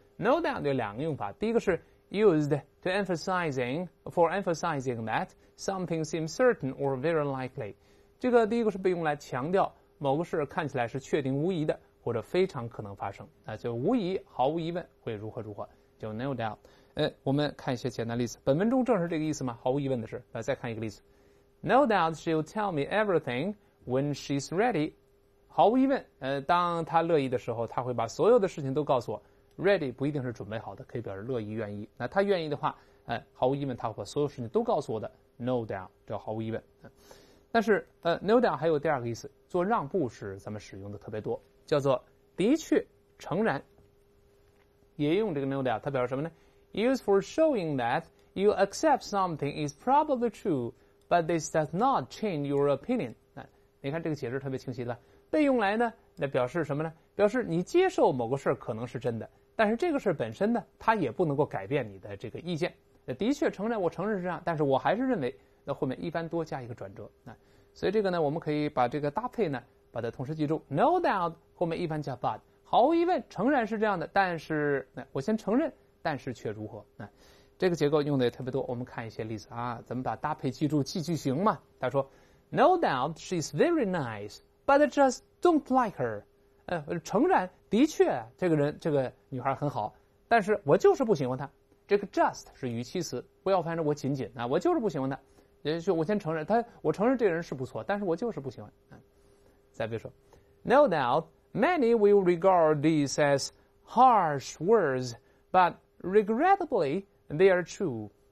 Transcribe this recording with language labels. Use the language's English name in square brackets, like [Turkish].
[English] No doubt [Chinese] 有两个用法，第一个是 [English] used to emphasizing that something seems certain or very likely。 [Chinese] 这个第一个是被用来强调某个事看起来是确定无疑的，或者非常可能发生，那就无疑毫无疑问会如何如何，就 no doubt。我们看一些简单例子，本文中正是这个意思吗？毫无疑问的是。来再看一个例子。 [English] No doubt she'll tell me everything when she's ready。 [Chinese] 毫无疑问当她乐意的时候，她会把所有的事情都告诉我。 ready 不一定是准备好的，可以表示乐意愿意。那她愿意的话毫无疑问她会把所有事情都告诉我的。 No doubt, 这毫无疑问。但是no doubt 还有第二个意思，做让步是咱们使用的特别多。叫做的确诚然，也用这个 no doubt， 它表示什么呢？ [English] Use for showing that you accept something is probably true but this does not change your opinion。 [Chinese] 你看这个解释特别清晰了，被用来呢，那表示什么呢？表示你接受某个事可能是真的，但是这个事本身呢，它也不能够改变你的这个意见。的确诚然，我承认是这样，但是我还是认为，那后面一般多加一个转折。所以这个呢，我们可以把这个搭配呢把它同时记住 ，no doubt 后面一般加 but， 毫无疑问，诚然是这样的，但是我先承认，但是却如何？这个结构用的也特别多。我们看一些例子啊，咱们把搭配记住，记句型嘛。他说 [English] ，no doubt she's very nice， but I just don't like her。 [Chinese] 诚然，的确，这个女孩很好，但是我就是不喜欢她。这个 just 是语气词，不要翻成我仅仅啊，我就是不喜欢她。也就我先承认她，我承认这个人是不错，但是我就是不喜欢。再比如说 No doubt [English] Many will regard these as harsh words, but regrettably, they are true.